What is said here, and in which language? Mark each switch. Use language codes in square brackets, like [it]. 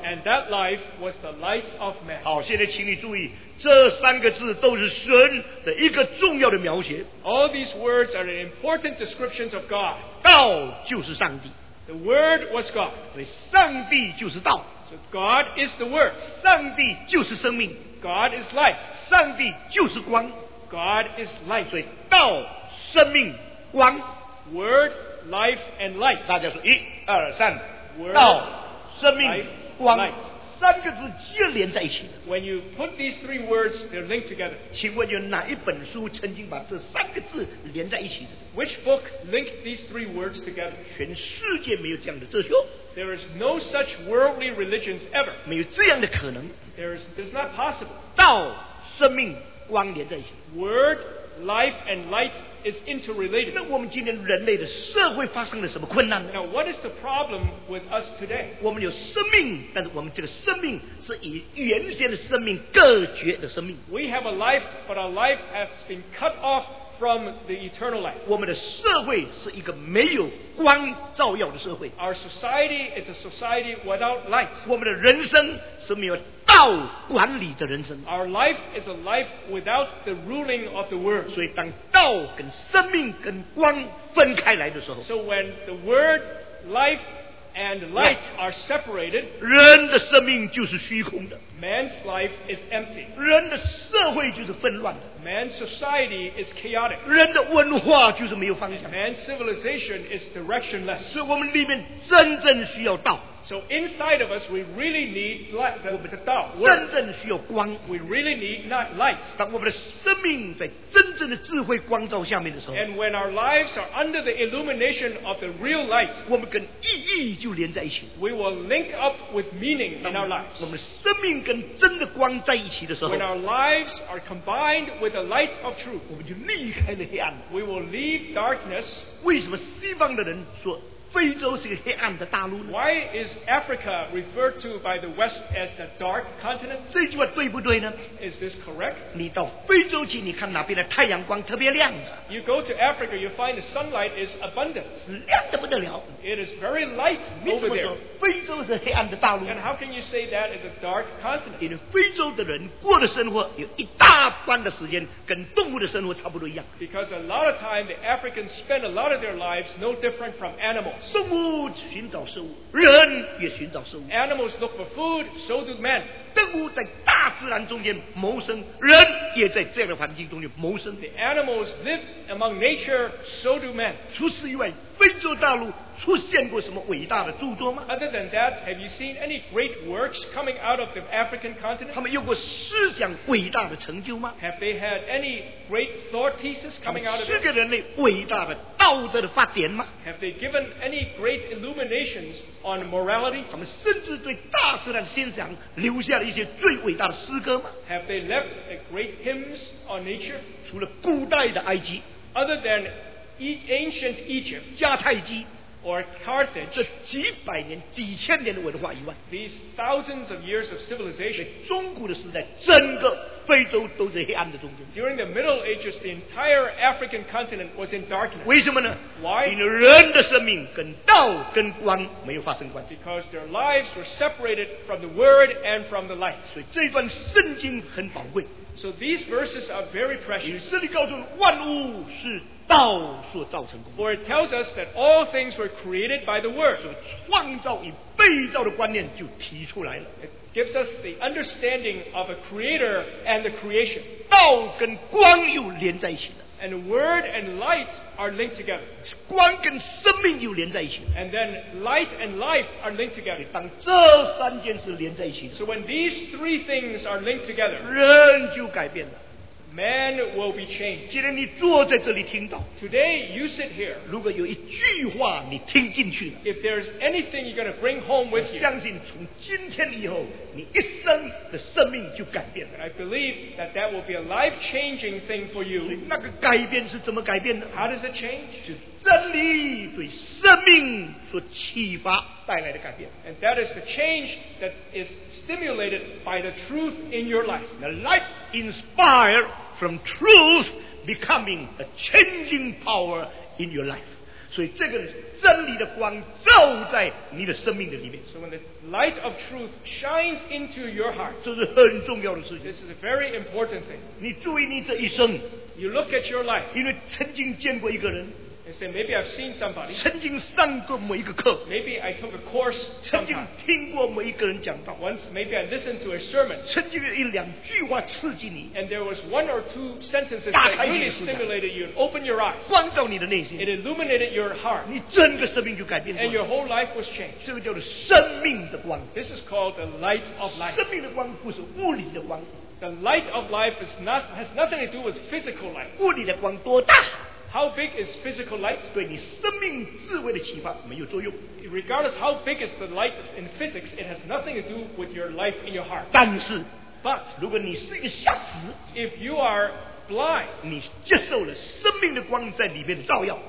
[en] And that life was the light of man. [zh] 好，现在请你注意，这三个字都是神的一个重要的描写。 [en] All these words are an important descriptions of God. [zh] 道就是上帝。 [en] The word was God. [zh] 所以上帝就是道。 [en] So God is the word. [zh] 上帝就是生命。 [en] God is life. [zh] 上帝就是光。 [en] God is life. [zh] 所以道、生命、光。 [en] Word, life, and light. [zh] 大家说一、二、三。 [en] Word, [zh] 道、生命、 [en] life, [zh] 光。 [en] Light. [zh] 三个字接连在一起。 [en] When you put these three words, they're linked together. [zh] 请问有哪一本书曾经把这三个字连在一起的？ [en] Which book linked these three words together? [zh] 全世界没有这样的哲学。 [en] There is no such worldly religions ever. [zh] 没有这样的可能。 [en] It's not possible. [zh] 道、生命、光连在一起。 [en] Word, life, and light is interrelated. [zh] 那我们今天人类的社会发生了什么困难呢？ [en] Now, what is the problem with us today? [zh] 我们有生命，但是我们这个生命是以原先的生命隔绝的生命。 [en] We have a life, but our life has been cut off from the eternal light. [zh] 我们的社会是一个没有光照耀的社会。 [en] Our society is a society without light. [zh] 我们的人生是没有道管理的人生。 [en] Our life is a life without the ruling of the word. [zh] 所以当道跟生命跟光分开来的时候。 [en] So when the word, life,and light are separated, [zh] 人的生命就是虚空的。 [en] Man's life is empty. [zh] 人的社会就是纷乱的。 [en] Man's society is chaotic. [zh] 人的文化就是没有方向。 [en] Man's civilization is directionless. [zh] 所以我们里面真正需要道。 [en] So inside of us, we really need the Tao. [zh] 真正需要光。 [en] We really need not light. [zh] 当我们的生命在真正的智慧光照下面的时候。 [en] And when our lives are under the illumination of the real light, [zh] 我们跟意义就连在一起。 [en] We will link up with meaning in our lives. [zh] 我们的生命跟真的光在一起的时候。 [en] When our lives are combined with the light of truth, [zh] 我们就离开了黑暗。 [en] We will leave darkness. [zh] 为什么西方的人说非洲是个黑暗的大陆呢？ [en] Why is Africa referred to by the West as the dark continent? [zh] 这句话对不对呢？ [en] Is this correct? [zh] 你到非洲去，你看哪边的太阳光特别亮的。 [en] You go to Africa, you find the sunlight is abundant. [zh] 亮得不得了。 [en] It is very light over there. [zh] 非洲是黑暗的大陆。 [en] And how can you say that is a dark continent? [zh] 因为非洲的人过的生活有一大半的时间跟动物的生活差不多一样。 [en] Because a lot of time, the Africans spend a lot of their lives no different from animals. [zh] 动物寻找食物，人也寻找食物。 [en] Animals look for food, so do men. [zh] 动物在大自然中间谋生，人也在这样的环境中间谋生。 [en] The animals live among nature, so do men. [zh] 除此以外，非洲大陆出现过什么伟大的著作吗？ [en] Other than that, have you seen any great works coming out of the African continent? [zh] 他们有过思想伟大的成就吗？ [en] Have they had any great thought thesis coming out of it? [zh] 他们是个人类伟大的道德的发展吗？ [en] Have they given any great illuminations on morality? [zh] 他们甚至对大自然欣赏留下了一些最伟大的诗歌吗？ [en] Have they left a great hymns on nature? [zh] 除了古代的埃及， [en] Other than ancient Egypt, [zh] 迦太基 [en] or Carthage, [zh] 这几百年几千年的文化以外， [en] these thousands of years of civilization, [zh] 在中古的时代整个非洲都在黑暗的中间。 [en] During the Middle Ages, the entire African continent was in darkness. [zh] 为什么呢？ [en] Why? [zh] 因为人的生命跟道跟光没有发生关系。 [en] Because their lives were separated from the word and from the light. [zh] 所以这段圣经很宝贵。 [en] So these verses are very precious. [zh] 以色列告诉万物是道所造成功。 [en] For it tells us that all things were created by the word. [zh] 所以创造与被造的观念就提出来了。 [en] Gives us the understanding of a creator and the creation. [zh] 道跟光又连在一起了。 [en] And word and light are linked together. [zh] 光跟生命又连在一起了。 [en] And then light and life are linked together. [zh] 当这三件事连在一起了。 [en] So when these three things are linked together, [zh] 人就改变了。 [en] Man will be changed. [zh] 既然你坐在这里听到， [en] Today you sit here. [zh] 如果有一句话你听进去了， [en] If there's anything you're going to bring home with you, [zh] 相信从今天以后，你一生的生命就改变了。 [en] I believe that that will be a life-changing thing for you. [zh] 所以那个改变是怎么改变的？ [en] How does it change? [zh] 就是真理对生命所启发带来的改变。 [en] And that is the change that is stimulated by the truth in your life. The light inspired from truth becoming a changing power in your life. [zh] 所以这个真理的光照在你的生命的里面。 [en] So when the light of truth shines into your heart, [zh] 这是很重要的事情。 [en] This is a very important thing. [zh] 你注意你这一生。 [en] You look at your life. [zh] 因为曾经见过一个人。 [en] And say, maybe I've seen somebody. [zh] 曾经上过某一个课。 [en] Maybe I took a course. [zh] 曾经听过某一个人讲道。 [en] Once, maybe I listened to a sermon. [zh] 曾经有一两句话刺激你。 [en] And there was one or two sentences that really stimulated you. Open your eyes. [zh] 光照你的内心。 [en] It illuminated your heart. [zh] 你整个生命就改变了。 [en] And your whole life was changed. [zh] 这个叫做生命的光。 [en] This is called the light of life. [zh] 生命的光不是物理的光。 [en] The light of life is not, has nothing to do with physical light. [zh] 物理的光多大？ [en] How big is physical light? [zh] 对你生命智慧的启发没有作用。 [en] Regardless how big is the light in physics, it has nothing to do with your life in your heart. [zh] 但是， [en] But, [zh] 如果你是一个瞎子， [en] If you are blind, [zh] 你接受了生命的光在里面的照耀。